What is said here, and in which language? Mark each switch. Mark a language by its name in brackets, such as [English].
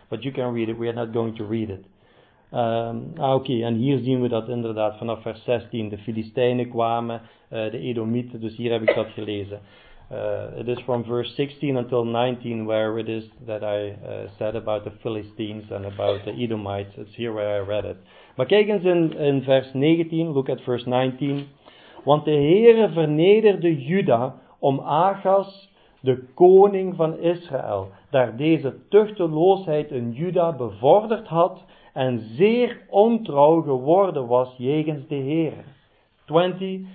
[English] But you can read it, we are not going to read it. [Dutch] En hier zien we dat inderdaad vanaf vers 16, de Filistijnen kwamen, de Edomieten, dus hier heb ik dat gelezen. [English] It is from verse 16 until 19 where it is that I said about the Philistines and about the Edomites. It's here where I read it. [Dutch] Maar kijk eens in vers 19, [English] look at verse 19. [Dutch] Want de Heere vernederde Juda om Achas, de koning van Israël, daar deze tuchteloosheid in Juda bevorderd had en zeer ontrouw geworden was jegens de Heere. 20.